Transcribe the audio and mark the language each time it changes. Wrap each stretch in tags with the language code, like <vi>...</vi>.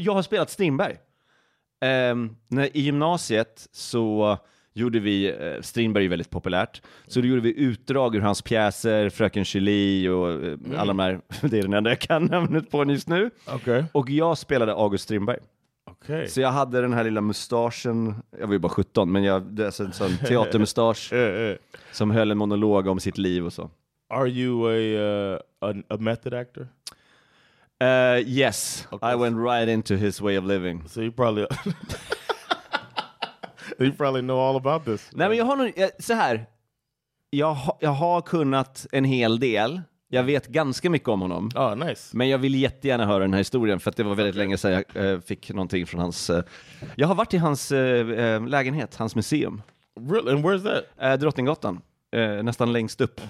<sv>Jag har spelat Strindberg. I gymnasiet så gjorde vi, Strindberg är väldigt populärt, så då gjorde vi utdrag ur hans pjäser, Fröken Julie och alla de här, det är den enda jag kan namnet på just nu.</sv> <en>Okay.</en> <sv>Och jag spelade August Strindberg.</sv> <en>Okay.</en> <sv>Så jag hade den här lilla mustaschen, jag var ju bara 17, men jag hade en sån teatermustasch som höll en monolog om sitt liv och så.</sv> <en>Are you a method actor? Yes, okay. I went right into his way of living. So you probably you probably know all about this.</en> <sv>Nej, right? Men jag har kunnat en hel del. Jag vet ganska mycket om honom.</sv> <en>Oh, nice.</en> <sv>Men jag vill jättegärna höra den här historien, för att det var väldigt länge sedan jag fick någonting från hans. Jag har varit i hans lägenhet, hans museum.</sv> <en>Really? And where is that?</en> <sv>Drottninggatan, nästan längst upp.</sv>